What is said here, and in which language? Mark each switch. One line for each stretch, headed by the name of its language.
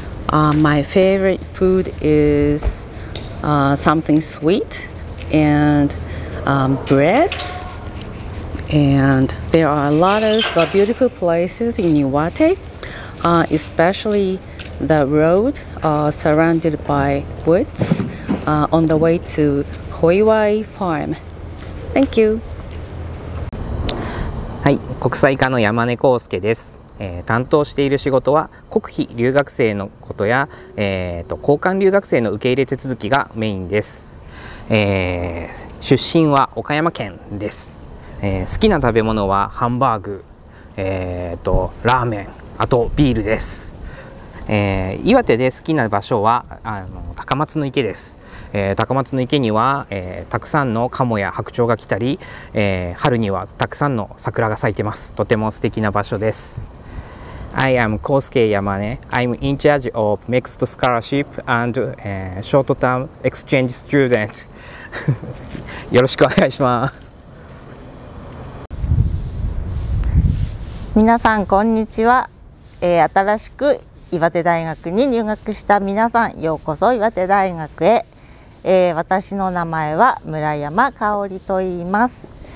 English: My favorite food is something sweet and breads. And there are a lot of beautiful places in Iwate, especially the road surrounded by woods on the way to Koiwai Farm. Thank you.
Japanese: はい、国際科の山根康介です。担当している仕事は国費留学生のことや、交換留学生の受け入れ手続きがメインです。出身は岡山県です。好きな食べ物はハンバーグ、ラーメン、あとビールです。岩手で好きな場所は高松の池です。高松の池には、たくさんのカモや白鳥が来たり、春にはたくさんの桜が咲いてます。とても素敵な場所です。
English: I am Kosuke Yamane. I'm in charge of mixed scholarship and、short term exchange student.
Japanese: よろしくお願いします。皆さんこんにちは。新しく岩手大学に入学した皆さん、ようこそ岩手大学へ。私の名前は村山香織と言います。